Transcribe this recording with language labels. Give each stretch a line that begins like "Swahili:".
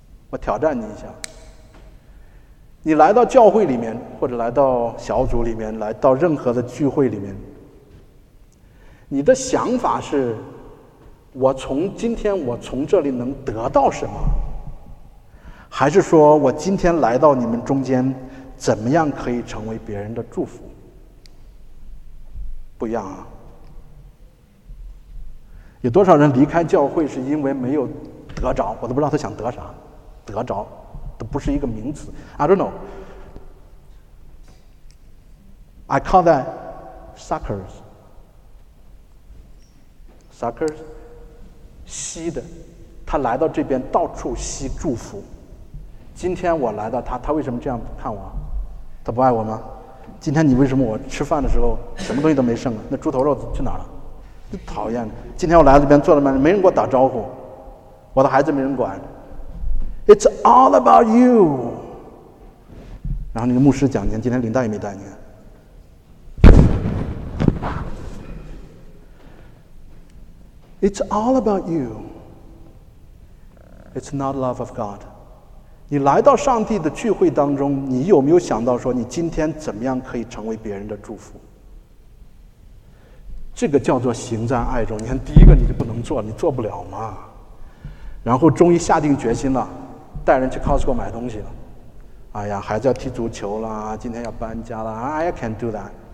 Chinese: 我挑战你一下，你来到教会里面，或者来到小组里面，来到任何的聚会里面，你的想法是我从今天我从这里能得到什么，还是说我今天来到你们中间怎么样可以成为别人的祝福？不一样啊。有多少人离开教会是因为没有得着，我都不知道他想得啥，得着都不是一个名词。
English: I don't know， I call that suckers， suckers
Chinese: 吸的，他来到这边到处吸祝福。今天我来到他为什么这样看我？他不爱我吗？今天你为什么我吃饭的时候什么东西都没剩啊？那猪头肉去哪了？讨厌的。今天我来到这边坐在那里没人给我打招呼，我的孩子没人管。
English: It's all about you。
Chinese: 然后那个牧师讲，你今天领带也没带。你
English: It's all about you， It's not love of God。
Chinese: 你来到上帝的聚会当中，你有没有想到说你今天怎么样可以成为别人的祝福？这个叫做行在爱中。你看第一个你就不能做，你做不了嘛。然后终于下定决心了，带人去 Costco 买东西了，哎呀孩子要踢足球了，今天要搬家了，
English: I can do that。